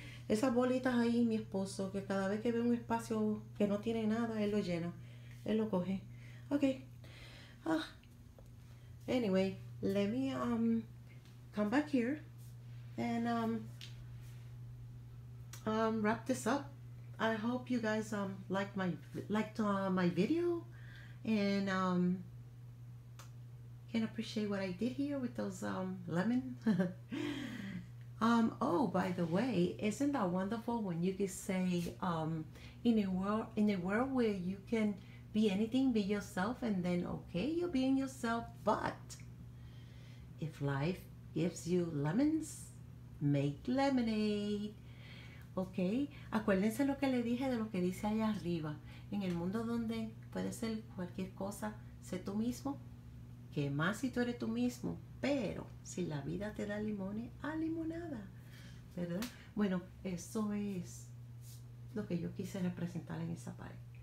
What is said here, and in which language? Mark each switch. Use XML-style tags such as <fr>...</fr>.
<es>Esas bolitas ahí, mi esposo, que cada vez que ve un espacio que no tiene nada, él lo llena. Él lo coge. Ok. Ah.</es> <en>Anyway, let me come back here and wrap this up. I hope you guys liked my video and can appreciate what I did here with those lemon. Oh, by the way, isn't that wonderful when you can say in a world where you can be anything, be yourself, and then okay, you're being yourself, but if life gives you lemons, make lemonade.</en> <es>Okay, acuérdense lo que le dije de lo que dice allá arriba. En el mundo donde puedes ser cualquier cosa, sé tú mismo. ¿Qué más si tú eres tú mismo? Pero si la vida te da limones, a limonada, ¿verdad? Bueno, eso es lo que yo quise representar en esa pared.</es>